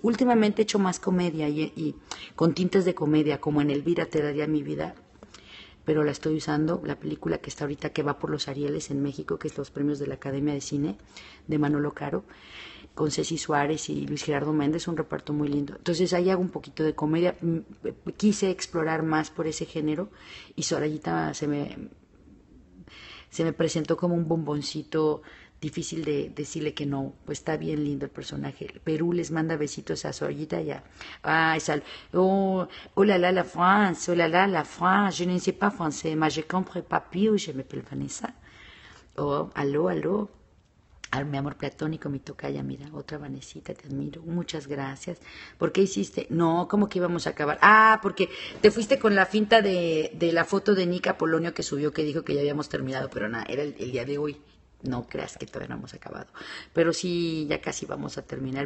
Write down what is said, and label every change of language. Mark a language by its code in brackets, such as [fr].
[es] Últimamente he hecho más comedia y con tintes de comedia, como en Elvira te daría mi vida, pero la estoy usando, la película que está ahorita, que va por los Arieles en México, que es los premios de la Academia de Cine de Manolo Caro, con Ceci Suárez y Luis Gerardo Méndez, un reparto muy lindo. Entonces ahí hago un poquito de comedia, quise explorar más por ese género y Sorayita se me presentó como un bomboncito difícil de decirle que no, pues está bien lindo el personaje. Perú les manda besitos a Sorayita y a... Ay, sal... [fr] Oh, [es] hola, [fr] la France, hola, la France, je ne sais pas français, mais je comprends pas plus, je m'appelle Vanessa. [es] Oh, aló, aló. A mi amor platónico, mi tocaya, mira, otra Vanesita, te admiro, muchas gracias. ¿Por qué hiciste? No, ¿cómo que íbamos a acabar? Ah, porque te fuiste con la finta de la foto de Nick Apolonio que subió, que dijo que ya habíamos terminado, pero nada, era el día de hoy. No creas que todavía no hemos acabado, pero sí, ya casi vamos a terminar.